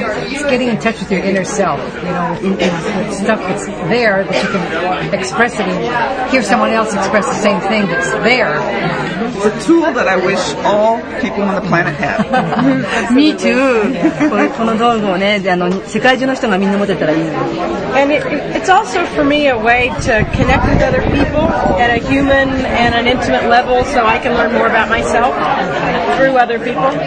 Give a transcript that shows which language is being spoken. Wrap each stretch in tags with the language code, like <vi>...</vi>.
<en>It's getting in touch with your inner self. You know, stuff that's there that you can express it in. Hear someone else express the same thing that's there. It's a tool that I wish all people on the planet had. Me too.</en> <ja>この道具をね、あの、世界中の人がみんな持てたらいい。</ja> <en>And it's also for me a way to connect with other people at a human and an intimate level, so I can learn more about myself through other people.</en>